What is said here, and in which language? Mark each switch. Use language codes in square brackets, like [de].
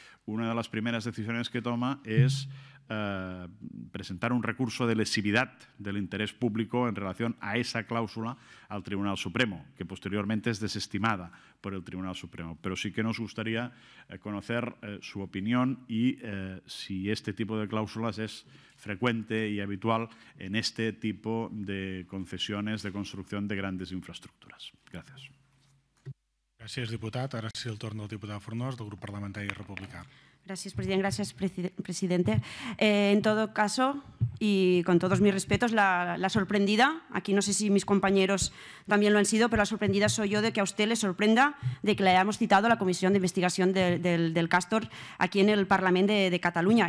[es] una de las primeras decisiones que toma es presentar un recurso de lesividad del interés público en relación a esa cláusula al Tribunal Supremo, que posteriormente es desestimada por el Tribunal Supremo. Pero sí que nos gustaría conocer su opinión y si este tipo de cláusulas es frecuente y habitual en este tipo de concesiones de construcción de grandes infraestructuras. Gracias. [ca] Gràcies, diputat. Ara sí el torn del diputat Fornós, del grup parlamentari republicà. [es] Gracias, presidente. Gracias, presidente. En todo caso, y con todos mis respetos, la sorprendida, aquí no sé si mis compañeros también lo han sido, pero la sorprendida soy yo de que a usted le sorprenda de que le hayamos citado la comisión de investigación del Castor aquí en el Parlament de Cataluña.